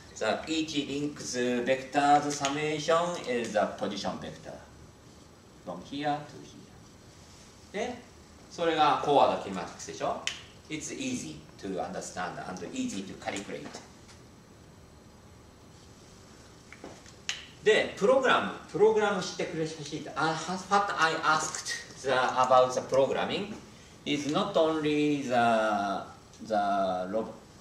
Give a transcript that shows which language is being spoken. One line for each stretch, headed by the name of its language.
English: The each link vector's summation is the position vector. From here to here. Then,
Japanese: それがフォワードキネマティクスでしょ。
English: It's easy to understand and easy to calculate.
Japanese: で、プログラムしてくれほしいと。
English: What I asked about the programming is not only the robot.